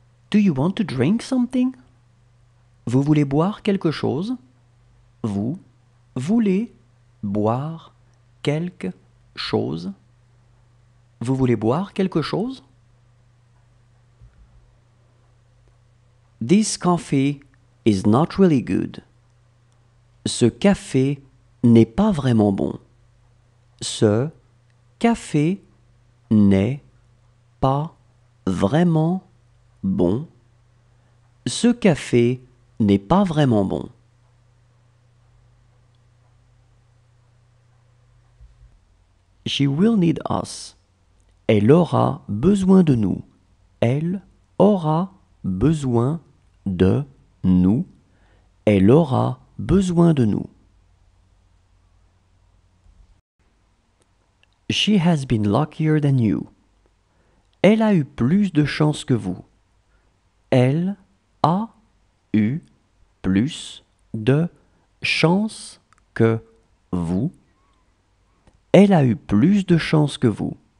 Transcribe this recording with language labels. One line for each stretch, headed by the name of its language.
English: Do you want to drink something?
French: Vous voulez boire quelque chose? Vous voulez boire quelque chose? Vous voulez boire quelque chose?
English: This coffee is not really good.
French: Ce café n'est pas vraiment bon. Ce café n'est pas vraiment bon. Ce café n'est pas vraiment bon. She will need us. Elle aura besoin de nous. Elle aura besoin de nous. Elle aura besoin de nous.
English: She has been luckier than you.
French: Elle a eu plus de chance que vous. Elle a eu plus de chance que vous. Elle a eu plus de chance que vous.